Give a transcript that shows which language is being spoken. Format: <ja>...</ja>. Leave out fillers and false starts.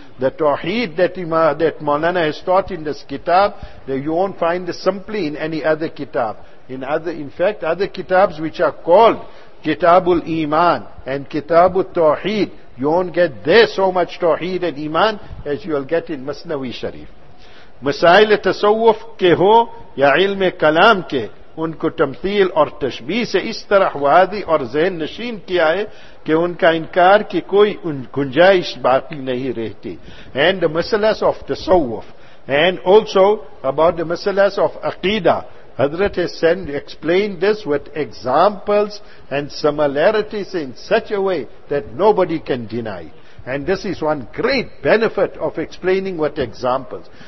<en>The tawheed that Maulana has taught in this kitab, that you won't find this simply in any other kitab. In fact, other kitabs which are called Kitabul Iman and Kitabul Tawheed, you won't get there so much tawheed and iman as you will get in Masnavi Sharif.</en> <ur>مسائل تصوف کے ہو یا علم کلام کے ان کو تمثیل اور تشبیہ سے اس طرح وادی اور ذہن نشین کیا ہے کہ ان کا انکار کی کوئی گنجائش باقی نہیں رہتی.</ur> <en>And the مسئلہ of تصوف, and also about the مسئلہ of عقیدہ, Hazrat has explained this with examples and similarities in such a way that nobody can deny. And this is one great benefit of explaining what examples.</en>